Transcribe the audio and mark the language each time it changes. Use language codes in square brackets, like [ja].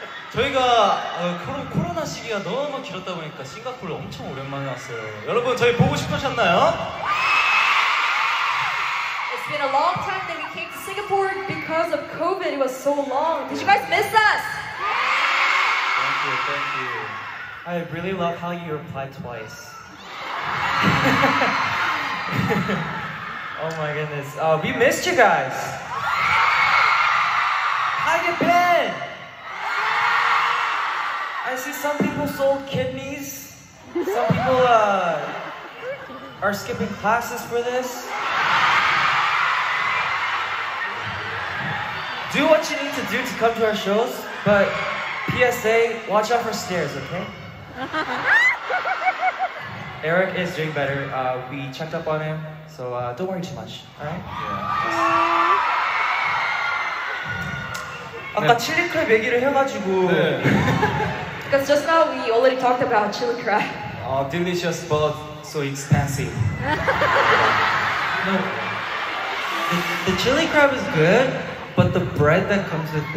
[ko] 저희가 코로나 시기가 너무 길었다 보니까 싱가포르 엄청 오랜만에 왔어요. 여러분 저희 보고 싶으셨나요? [en] It's been a long time that we came to Singapore because of COVID. It was so long. Did you guys miss us? Thank you, thank you. I really love how you replied twice. Oh my goodness. We missed you guys. How you been? I see some people sold kidneys. Some people are skipping classes for this. Do what you need to do to come to our shows, but PSA, watch out for stairs, okay? Eric is doing better. We checked up on him, so don't worry too much, alright? Yeah. [ko] 아까 칠리클 얘기를 해가지고. [en] Because just now we already talked about chili crab. Oh, delicious, but so expensive. No, the chili crab is good, but the bread that comes with it.